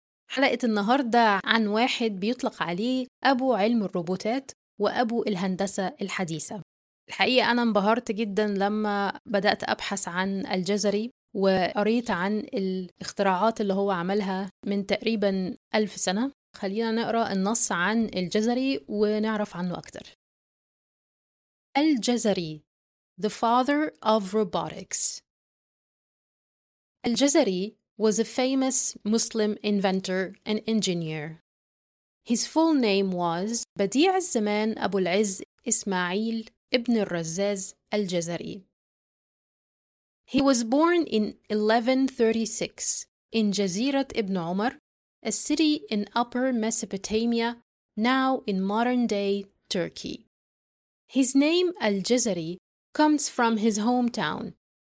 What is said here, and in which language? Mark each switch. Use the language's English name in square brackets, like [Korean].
[Arabic] حلقة النهاردة عن واحد بيطلق عليه أبو علم الروبوتات وأبو الهندسة الحديثة. الحقيقة أنا انبهرت جدا لما بدأت أبحث عن الجزري وقريت عن الاختراعات اللي هو عملها من تقريبا 1000 سنة. خلينا نقرأ النص عن الجزري ونعرف عنه أكتر. [English] الجزري The Father of Robotics. الجزري was a famous Muslim inventor and engineer. His full name was بديع الزمان أبو العز إسماعيل ابن الرزاز الجزري. He was born in 1136 in جزيرة ابن عمر, a city in Upper Mesopotamia, now in modern-day Turkey. His name الجزري comes from his hometown.